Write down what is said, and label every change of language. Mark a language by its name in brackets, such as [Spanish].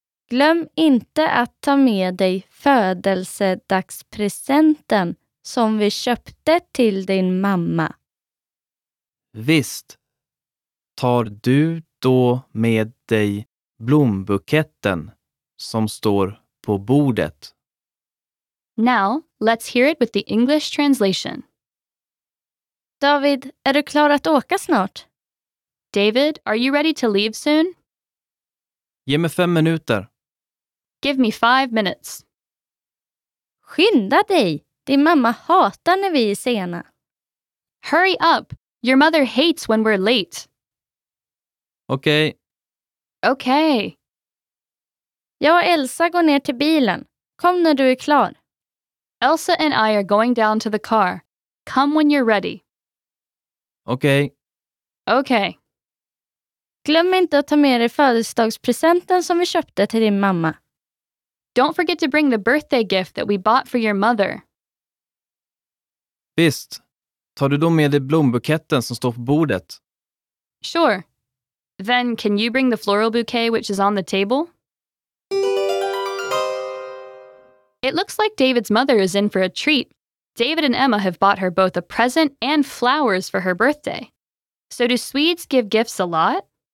[Swedish] Glöm inte att ta med dig födelsedagspresenten som vi köpte till din mamma. Visst. Tar du då med dig blombuketten som står på bordet? [English] Now, let's hear it with the English translation. [Swedish] David, är du klar att åka snart? [English] David, are you ready to leave soon? [Swedish] Ge mig 5 minuter. [English] Give me 5 minutes. [Swedish] Skynda dig! Din mamma hatar när vi är sena. [English] Hurry up! Your mother hates when we're late. [Swedish] Okej. [English] Okay. [Swedish] Okej. [English] Okay. [Swedish] Jag och Elsa går ner till bilen. Kom när du är klar. [English] Elsa and I are going down to the car. Come when you're ready. [Swedish] Okej. [English] Okay. [Swedish] Okej. [English] Okay. [Swedish] Glöm inte att ta med dig födelsedagspresenten som vi köpte till din mamma. [English] Don't forget to bring the birthday gift that we bought for your mother. [Swedish] Visst. Tar du då med dig blombuketten som står på bordet? [English] Sure. Then can you bring the floral bouquet which is on the table? It looks like David's mother is in for a treat. David and Emma have bought her both a present and flowers for her birthday. So do Swedes give gifts a lot?